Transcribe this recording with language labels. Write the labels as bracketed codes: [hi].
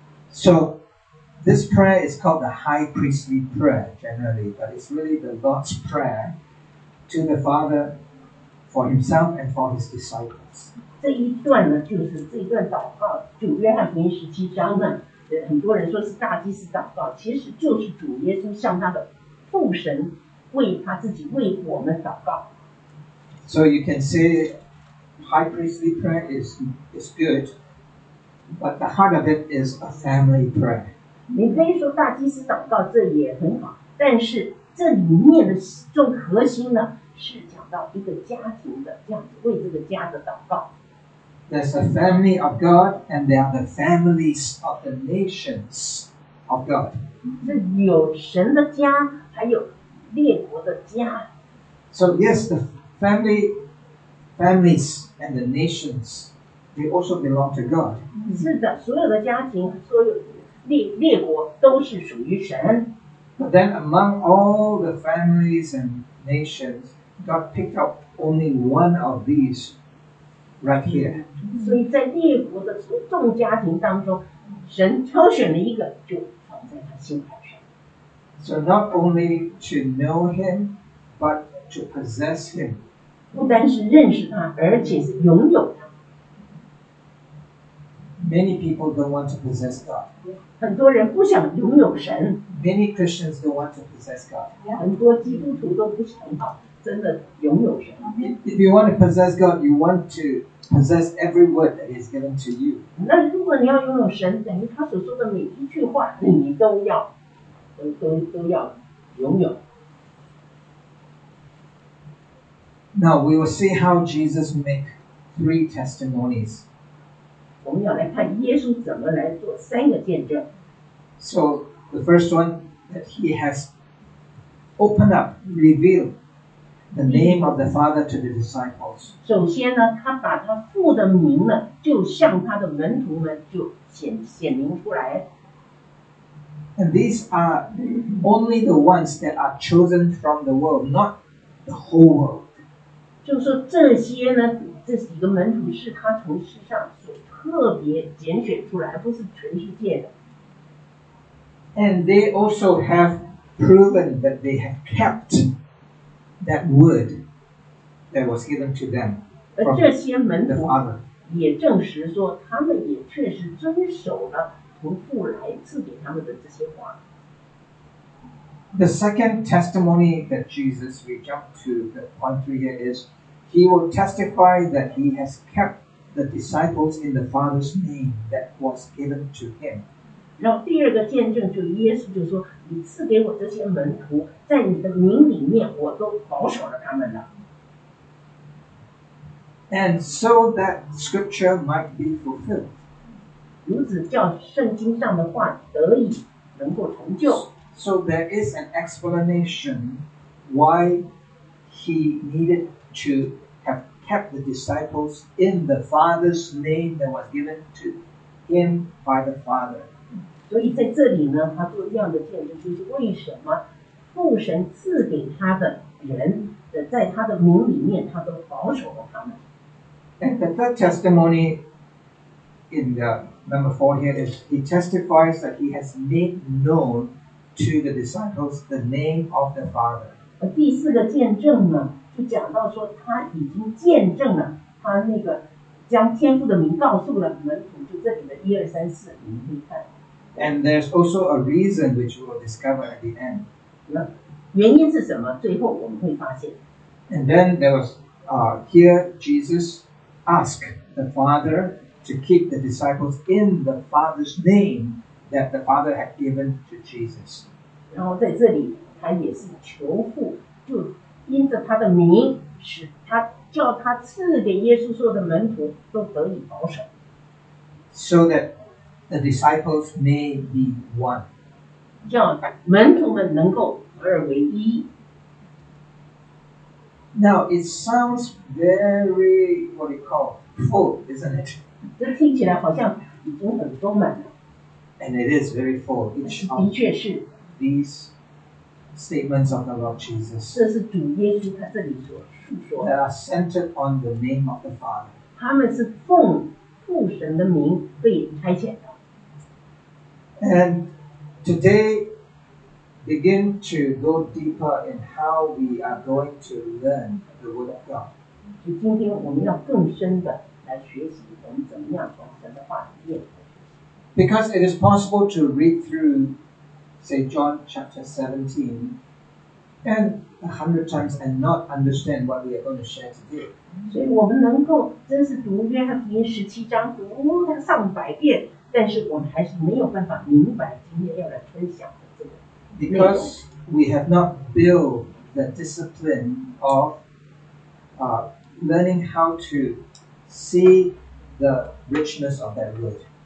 [en] So, this prayer is called the High Priestly Prayer generally, but it's really the Lord's Prayer to the Father for himself and for his disciples. [zh] 这一段呢，就是这一段祷告，主约翰福音十七章呢，很多人说是大祭司祷告，其实就是主耶稣向他的父神为他自己为我们祷告。 [en] So you can say. High priestly prayer is good, but the heart of it is a family prayer. [zh] 你可以说大祭司祷告这也很好，但是这里面的重核心呢，是讲到一个家庭的这样子为这个家的祷告。 [en] There's a family of God, and there are the families of the nations of God. [zh] 这有神的家，还有列国的家。 [en] So yes, the family. Families and the nations, they also belong to God. [zh] 是的，所有的家庭，所有列国都是属于神。 [en] But then, among all the families and nations, God picked up only one of these, right here. [zh] 所以在列国的众家庭当中，神挑选了一个就放在他心怀去。 [en] So not only to know him, but to possess him. [zh] 不单是认识他，而且是拥有他。 [en] Many people don't want to possess God. [zh] 很多人不想拥有神。 [en] Many Christians don't want to possess God. [zh] 很多基督徒都不想要真的拥有神。 [en] If you want to possess God, you want to possess every word that is given to you. [zh] 那如果你要拥有神，等于他所说的每一句话，你都要，都要拥有。 [en] Now we will see how Jesus make three testimonies. [zh] 我们要来看耶稣怎么来做三个见证。 [en] So the first one that he has opened up, revealed the name of the Father to the disciples. [zh] 首先呢，他把他父的名呢，就向他的门徒们就显明出来。 [en] And these are only the ones that are chosen from the world, not the whole world. [zh] 就是说这些呢，这几个门徒是他从世上所特别拣选出来，不是全世界的。 [en] And they also have proven that they have kept that word that was given to them. [zh] 而这些门徒也证实说，他们也确实遵守了从父来赐给他们的这些话。 [en] The second testimony that Jesus, we jump to the point three here, is he will testify that he has kept the disciples in the Father's name that was given to him. [zh] 然后第二个见证就耶稣就说，你赐给我这些门徒，在你的名里面，我都保守了他们了。 [en] And so that scripture might be fulfilled. [zh] 如此叫圣经上的话得以能够成就。 [en] So there is an explanation why he needed to have kept the disciples in the Father's name that was given to him by the Father. [zh] 所以在这里呢，他做一样的见证，就是为什么父神赐给他的人的，在他的名里面，他都保守了他们。 [en] And the third testimony in the number four here is he testifies that he has made known. To the disciples, the name of the Father. [zh] 第四个见证呢，就讲到说他已经见证了，他那个将天父的名告诉了门徒，就这里的一二三四，你们可以看。 [en] And there's also a reason which we'll discover at the end. [zh] 原因是什么？最后我们会发现。 [en] And then there was, here Jesus asked the Father to keep the disciples in the Father's name. That the Father had given to Jesus. [zh] 然后在这里，他也是求父，就因着他的名，使他叫他赐给耶稣所有的门徒都得以保守。 [en] So that the disciples may be one. [zh] 叫门徒们能够合而为一。 [en] Now it sounds very what we call full, isn't it? [zh] 这听起来好像已经很丰满了。 [en] And it is very full, each of these statements of the Lord Jesus. [zh] 这是主耶稣他这里所述说的。 [en] They are centered on the name of the Father. [zh] 他们是奉父神的名被差遣的。 [en] And today, begin to go deeper in how we are going to learn the Word of God. [zh] 就今天我们要更深的来学习我们怎么样从神的话里面。 [en] Because it is possible to read through, say, John chapter 17 and 100 times and not understand what we are going to share today. [zh] 所以我们能够真是读约翰福音十七章读上百遍，但是我们还是没有办法明白今天要来分享的这个。 [en] Because we have not built the discipline of learning how to see the richness of that word.